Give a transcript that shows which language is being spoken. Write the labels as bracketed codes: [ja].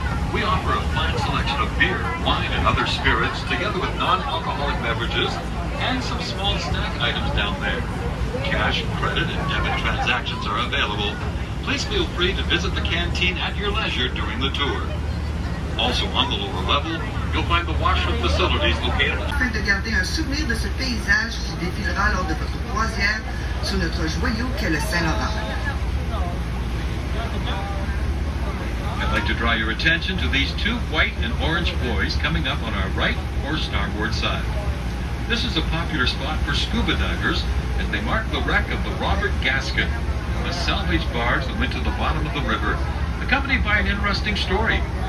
[en] We offer a fine selection of beer, wine, and other spirits, together with non-alcoholic beverages and some small snack items down there. Cash, credit, and debit transactions are available. Please feel free to visit the canteen at your leisure during the tour. Also on the lower level, [fr] afin de garder un souvenir de ce paysage qui défilera lors de votre croisière sur notre joyau qu'est le Saint-Laurent. [en] I'd like to draw your attention to these two white and orange buoys coming up on our right or starboard side. This is a popular spot for scuba divers as they mark the wreck of the Robert Gaskin, a salvage barge that went to the bottom of the river, accompanied by an interesting story.